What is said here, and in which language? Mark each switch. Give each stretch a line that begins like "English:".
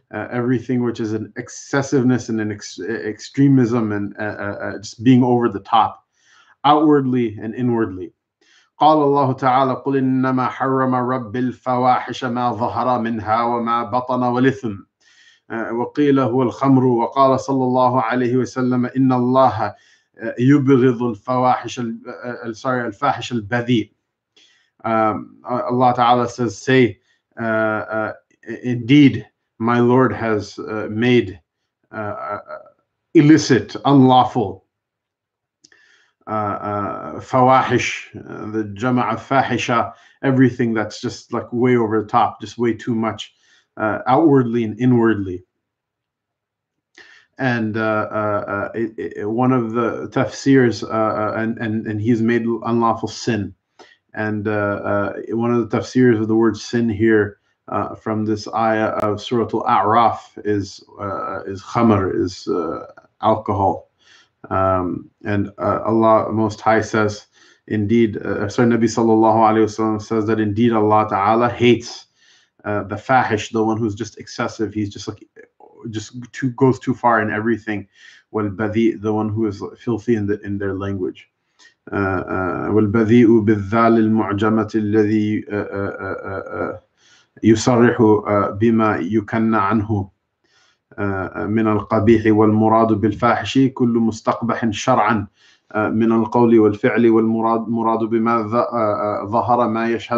English: Everything which is an excessiveness and an extremism and just being over the top, outwardly and inwardly.
Arabic: قال الله تعالى قل إنما حرم رب الفواحش ما ظهر منها وما بطن والإثم وقيل هو الخمر وقال صلى الله عليه وسلم إن الله يبغض الفواحش الفاحش البذيء.
English: Allah تعالى says, say, indeed, my Lord has made illicit, unlawful, fawahish, the jama'a fahisha, everything that's just like way over the top, just way too much, outwardly and inwardly. And one of the tafsirs, and he's made unlawful sin. And one of the tafsirs of the word sin here, from this ayah of Surah Al-A'raf, is khamar, is alcohol. And Allah Most High says, indeed, sorry, Nabi Sallallahu Alaihi Wasallam says that indeed Allah Ta'ala hates the fahish, the one who's just excessive. He's just like, goes too far in everything. Wal-badhi, the one who is filthy in their language.
Arabic: Wal-badhi'u bil-dhal al-mu'jamat al-ladhi يصرح بما يكن عنه من القبيح والمراد بالفاحش كل مستقبح شرعا من القول والفعل والمراد بما ظهر ما